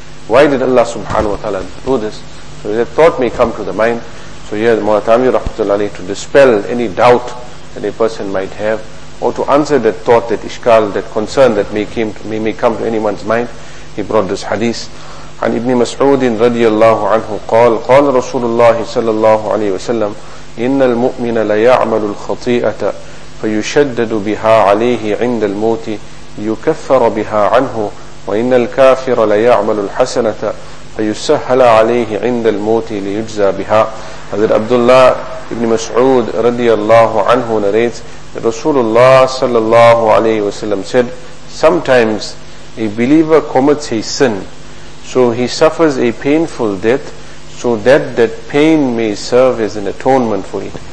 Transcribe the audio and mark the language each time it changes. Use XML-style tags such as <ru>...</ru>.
<en>Why did Allah subhanahu wa ta'ala do this? So that thought may come to the mind. So here the Mu'tamir rahmatullahi alayhi to dispel any doubt that a person might have, or to answer that thought, that ishkal, that concern that may come to anyone's mind, he brought this hadith.</en> <ar>عن ابن مسعود رضي الله عنه قال قال رسول الله صلى الله عليه وسلم إن المؤمن ليعمل الخطيئة فيشدد بها عليه عند الموت ليكفر بها عنه وإن الكافر ليعمل الحسنة فيسهل عليه عند الموت ليجزى بها.</ar> <en>هذا عبد الله ابن مسعود رضي الله عنه narrates that Rasulullah صلى الله عليه وسلم said, sometimes a believer commits a sin, so he suffers a painful death, so that pain may serve as an atonement for it.</en>